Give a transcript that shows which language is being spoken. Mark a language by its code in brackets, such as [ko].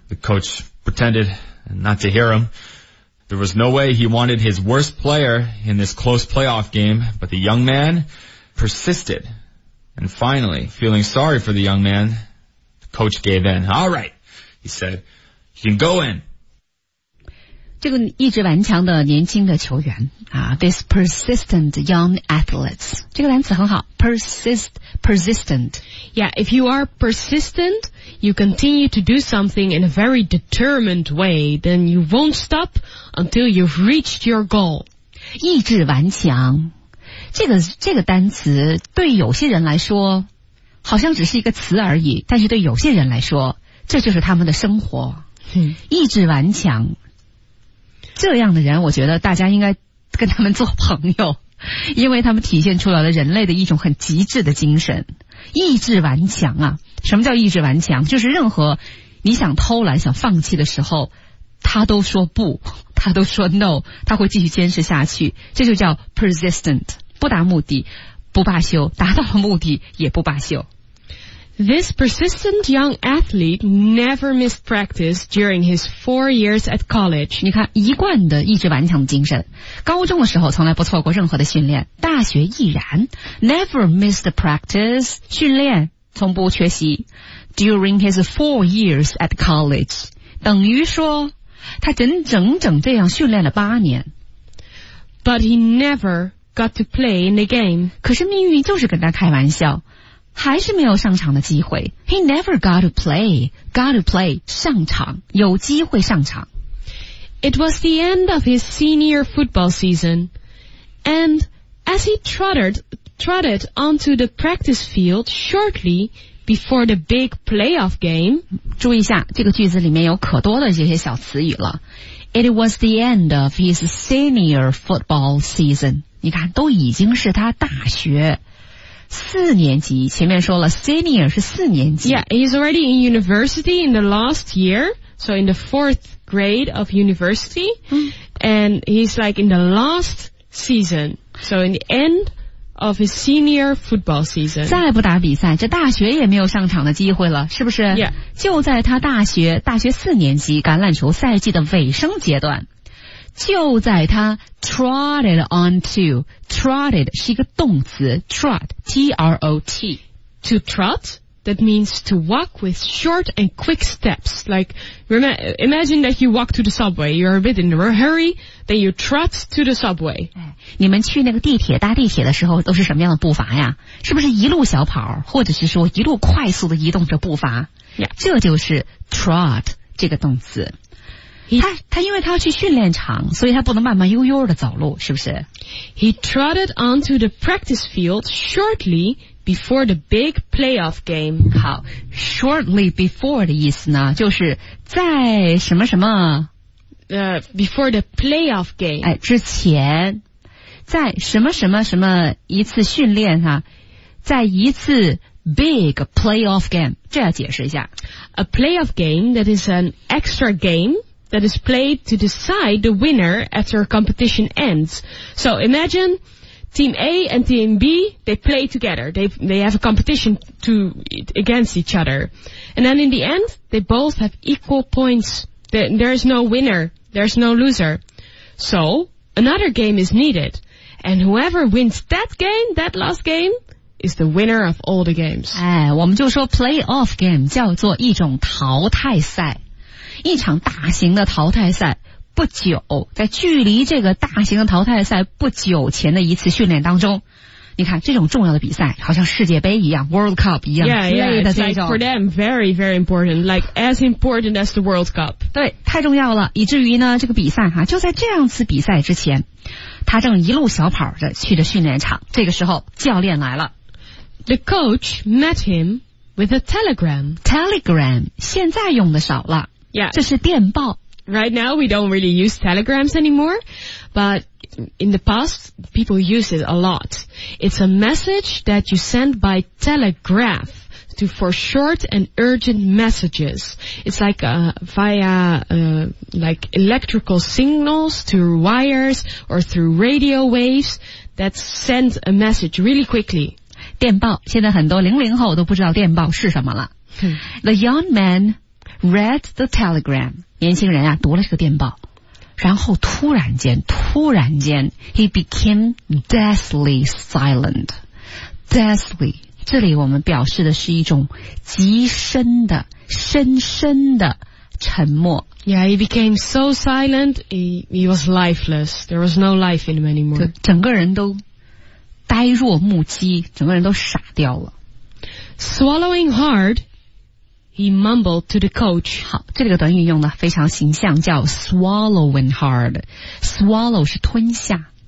[en] The coach pretended not to hear him. There was no way he wanted his worst player in this close playoff game, but the young man persisted. And finally, feeling sorry for the young man, the coach gave in. "All right," he said, "you can go in." [zh] 这个一直顽强的年轻的球员啊 ， [en] this persistent young athletes， [zh] 这个单词很好 ，persistent。 [en] Yeah， if you are persistent， you continue to do something in a very determined way， then you won't stop until you've reached your goal。 [zh] 意志顽强，这个单词对有些人来说好像只是一个词而已，但是对有些人来说，这就是他们的生活。意志顽强。这样的人我觉得大家应该跟他们做朋友，因为他们体现出来了人类的一种很极致的精神，意志顽强啊。什么叫意志顽强？就是任何你想偷懒想放弃的时候，他都说不，他都说 no， 他会继续坚持下去，这就叫 persistent， 不达目的不罢休，达到了目的也不罢休。 [en] This persistent young athlete never missed practice during his 4 years at college. [zh] 你看，一贯的意志顽强的精神，高中的时候从来不错过任何的训练，大学亦然。 [en] Never missed practice, [zh] 训练从不缺席。 [en] During his 4 years at college, [zh] 等于说他整整这样训练了八年。 [en] But he never got to play in the game. [zh] 可是命运就是跟他开玩笑。还是没有上场的机会。 [en] He never got to play. [zh] Got to play. 上场。有机会上场。 [en] It was the end of his senior football season. And as he trotted onto the practice field shortly before the big playoff game. [zh] 注意一下，这个句子里面有可多的这些小词语了。 [en] It was the end of his senior football season. [zh] 你看，都已经是他大学。四年级，前面说了 ，senior 是四年级。 [en] Yeah, he's already in university in the last year, so in the fourth grade of university,、and he's like in the last season, so in the end of his senior football season. [zh] 再不打比赛，这大学也没有上场的机会了，是不是 [en] ？Yeah. [zh] 就在他大学四年级橄榄球赛季的尾声阶段，就在他 [en] trotted onto。 Trotted 是一个动词 trot, T-R-O-T. To trot, that means to walk with short and quick steps. Like, imagine that you walk to the subway, you're a bit in a hurry, then you trot to the subway. [zh] 你们去那个地铁搭地铁的时候都是什么样的步伐呀？是不是一路小跑，或者是说一路快速的移动着步伐？ [en] Yeah. [zh] 这就是 trot 这个动词。他因为他要去训练场，所以他不能慢慢悠悠的走路，是不是 [en] ？He trotted onto the practice field shortly before the big playoff game. [zh] 好 ， [en] shortly before [zh] 的意思呢，就是在什么什么 [en] before the playoff game. [zh] 哎，之前，在什么什么什么一次训练哈、在一次。 Big playoff game， 这要解释一下。 [en] A playoff game that is an extra game that is played to decide the winner after competition ends. So imagine team A and team B, they play together. They have a competition against each other. And then in the end, they both have equal points. There is no winner. There is no loser. So another game is needed. And whoever wins that game, that last game, is the winner of all the games. [zh] 哎，我们就说 playoff game 叫做一种淘汰赛，一场大型的淘汰赛。不久，在距离这个大型的淘汰赛不久前的一次训练当中，你看这种重要的比赛，好像世界杯一样 ，World Cup 一样之类的这种。 [en] Yeah, yeah, it's like for them very, very important, like as important as the World Cup. [zh] 对，太重要了，以至于呢，这个比赛哈，就在这样次比赛之前，他正一路小跑着去着训练场。这个时候，教练来了 [en] ，The coach met him with a telegram. [zh] Telegram 现在用的少了 [en] ，Yeah， [zh] 这是电报。 [en] Right now, we don't really use telegrams anymore, but in the past, people use it a lot. It's a message that you send by telegraph to for short and urgent messages. It's like via electrical signals to wires or through radio waves that send a message really quickly. [zh] 电报，现在很多00后都不知道电报是什么了。 [en] The young man read the telegram. [zh] 年轻人啊读了这个电报，然后突然间 [en] he became deathly silent. [zh] Deathly 这里我们表示的是一种极深的深深的沉默。 [en] Yeah, he became so silent, he was lifeless. There was no life in him anymore. [zh] 整个人都呆若木鸡，整个人都傻掉了。 [en] Swallowing hardHe mumbled to the coach. [zh] 好，这个短语用的非常形象，叫 [en] swallowing hard. [zh] Swallow 是吞下。